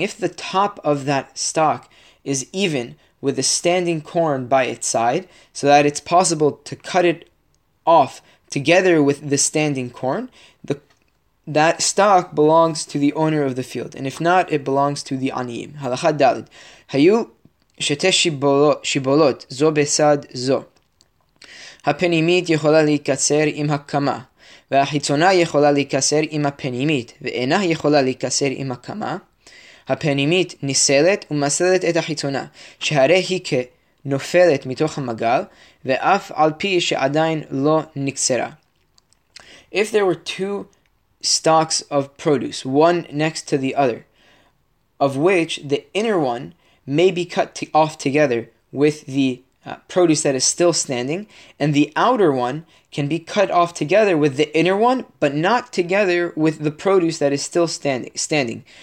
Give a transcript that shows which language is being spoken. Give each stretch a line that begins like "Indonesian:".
English: If the top of that stalk is even with the standing corn by its side, so that it's possible to cut it off together with the standing corn, that stock belongs to the owner of the field. And if not, it belongs to the aniyim.
Hebrew: Halacha dalid. Hayu שתי שיבולות זו בצד זו. הפנימית יכולה להיקצר עם הקמה, והחיצונה יכולה להיקצר עם הפנימית, ואינה יכולה להיקצר עם הקמה. הפנימית נסלת ומסלת את החיצונה, שהרי היא כנופלת מתוך המגל, ואף על פי שעדיין לא נקצרה.
English: If there were two stalks of produce, one next to the other, of which the inner one may be cut off together with the produce that is still standing, and the outer one can be cut off together with the inner one, but not together with the produce that is still standing.